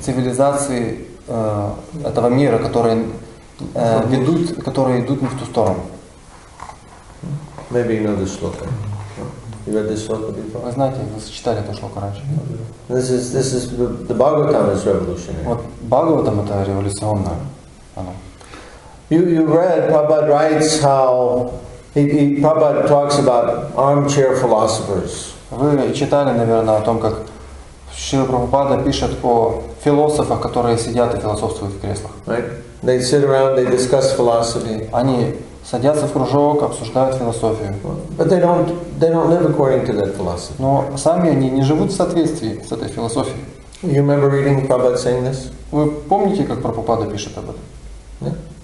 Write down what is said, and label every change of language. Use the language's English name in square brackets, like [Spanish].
[Russian] Цивилизации этого мира, которые ведут, которые идут не в ту сторону. [English] Maybe you know this shloka. You read this shloka before? [Russian] Вы знаете, вы читали эту шлоку раньше. [English] This is the Bhagavatam is revolutionary. [Russian] Вот Бхагаватам это революционное. [English] You read, Prabhupada writes how he Prabhupada talks about armchair philosophers. [Russian] Вы читали, наверное, о том, как Шрила Прабхупада пишет о философах, которые сидят и философствуют в креслах. [English] Right? They sit around, they discuss philosophy. [Russian] Они садятся в кружок, обсуждают философию. [English] But they don't live according to that philosophy. [Russian] Но сами они не живут в соответствии с этой философией. [English] You remember reading Prabhupada saying this? [Russian] Вы помните, как Прабхупада пишет об этом?